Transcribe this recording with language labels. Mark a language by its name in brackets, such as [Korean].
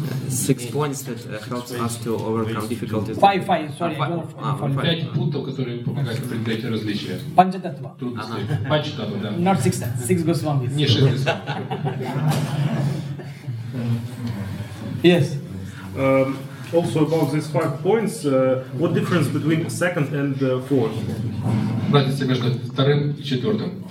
[English] Six points that helps us to overcome difficulties. Five. [Russian] Пять пунктов, которые помогают преодолеть различия. Панчататва. Ага. Панчататва, да. [English] Not six. Six Госвамис. [Russian] Не шесть. [English] Yes. Also about these five points, what difference between the second and the fourth? [Russian] Разница между вторым и четвертым.